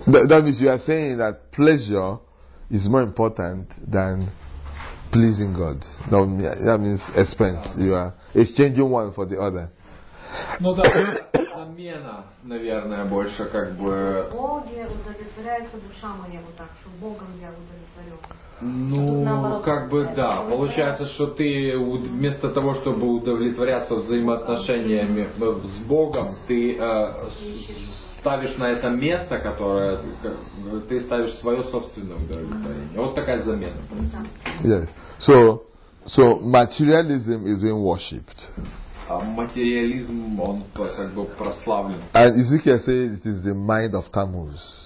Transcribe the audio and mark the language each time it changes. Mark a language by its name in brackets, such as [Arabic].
[English] That means you are saying that pleasure is more important than pleasing God. No, that means expense. You are exchanging one for the other. [Russian] Ну да, замена, наверное, больше как бы. Боге удовлетворяется душа моя, вот так, что Богом я удовлетворен. Ну, как бы да. Получается, что ты вместо того, чтобы удовлетворяться взаимоотношениями с Богом, ты ставишь на это место, которое ты ставишь свое собственное удовлетворение. Вот такая замена. [English] Yes. So materialism is in worshipped. [Russian] Материализм, он как бы прославлен. [English] And Ezekiel says it is the mind of Tammuz.